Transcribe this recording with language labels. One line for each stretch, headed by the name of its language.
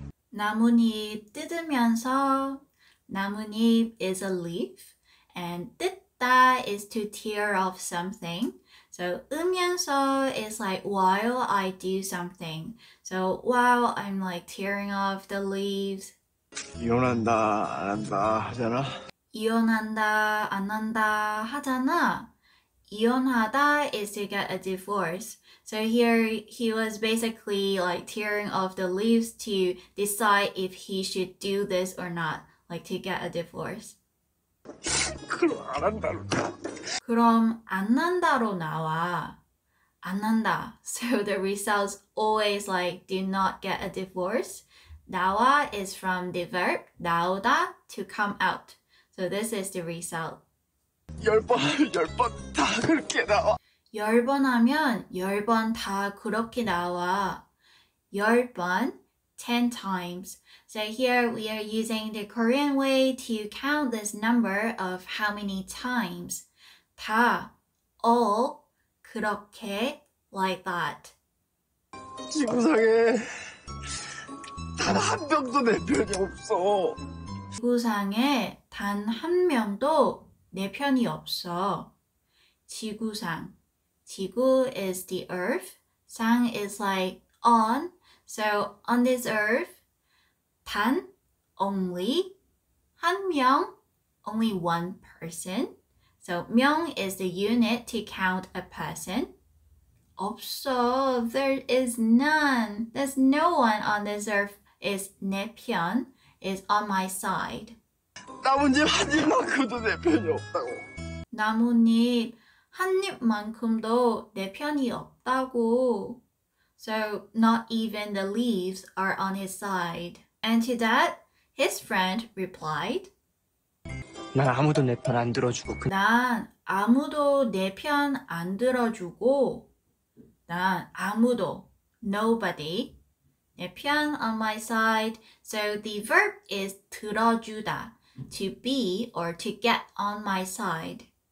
Korean: 나뭇잎 뜯으면서.
English: 나뭇잎 is a leaf, and 뜯다 is to tear off something. So 으면서 is like while I do something. So while I'm like tearing off the leaves.
Korean: 이혼한다, 안 한다 하잖아. 이혼한다, 안 한다 하잖아.
English: 이혼하다 is to get a divorce. So here he was basically like tearing off the leaves to decide if he should do this or not, like to get a divorce.
Korean: 그럼 안 한다. 그럼 안 난다로 나와. 안 난다.
English: So the results always like do not get a divorce. 나와 is from the verb 나오다 to come out. So this is the result.
Korean: 열번다 그렇게 나와. 열번 하면 열번다 그렇게 나와.
English: 열 번, 10 times. So here we are using the Korean way to count this number of how many times. 다, all, 그렇게, like that.
Korean: 지구상에 단 한 명도 내 편이 없어. 지구상에 단한 명도 내 편이 없어.
English: 지구상. 지구 is the earth. 상 is like on. So on this earth, 단, only, 한 명, only one person. So 명 is the unit to count a person. 없어. There is none. There's no one on this earth. Is 내 편, is on my side.
Korean: 나뭇잎 한 입만큼도 내 편이 없다고. 나뭇잎 한 입만큼도 내 편이 없다고.
English: So not even the leaves are on his side. And to that, his friend replied,
Korean: 난 아무도 내편안 들어주고 그 난 아무도 내편안 들어주고, 난 아무도, nobody, 내편
English: on my side. So the verb is 들어주다, to be or to get on my side.